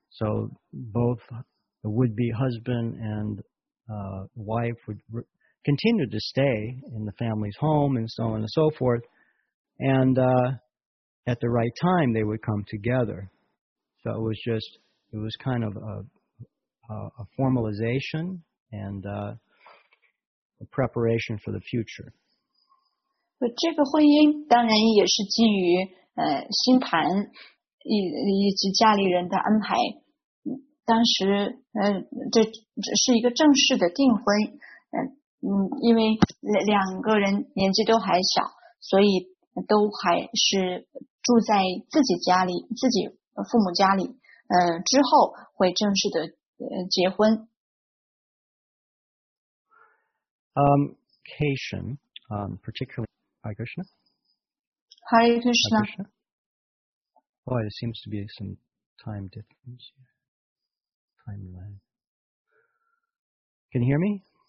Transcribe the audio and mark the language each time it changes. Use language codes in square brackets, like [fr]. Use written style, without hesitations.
[en] So both the would-be husband and wife would continue to stay in the family's home and so on and so forth. And... At the right time, they would come together. So it was just, it was kind of a formalization and a preparation for the future. [zh] 这个婚姻当然也是基于星盘以及家里人的安排。当时这是一个正式的订婚。因为两个人年纪都还小，所以都还是。住在自己家里，自己父母家里，之后会正式的结婚。 [en] Kation, particularly Hare Krishna. Hare Krishna. Hare Krishna. Oh, there seems to be some time difference. Time lag. Can you hear me?